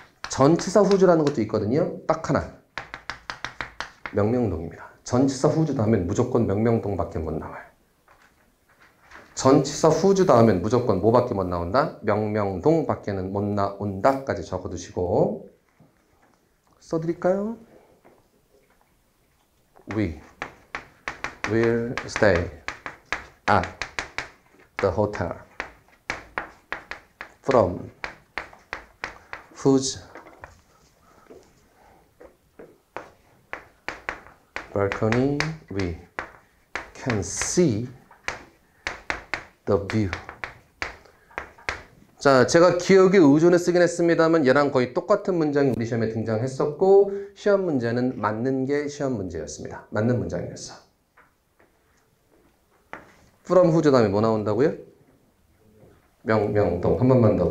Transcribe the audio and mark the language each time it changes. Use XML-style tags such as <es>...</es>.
<ko>전치사 후주라는 것도 있거든요. 딱 하나. 명명동입니다. 전치사 후주 다음엔 무조건 명명동밖에 못 나와요. 전치사 후주 다음엔 무조건 뭐밖에 못 나온다? 명명동밖에는 못 나온다까지 적어두시고. 써드릴까요?</ko> <en>We will stay at the hotel from whose balcony we can see the view.</en> <ko>자, 제가 기억에 의존해 쓰긴 했습니다만 얘랑 거의 똑같은 문장이 우리 시험에 등장했었고 시험 문제는 맞는 게 시험 문제였습니다. 맞는 문장이었어. From whose 다음에 뭐 나온다고요? 명명동. 한 번만 더.</ko>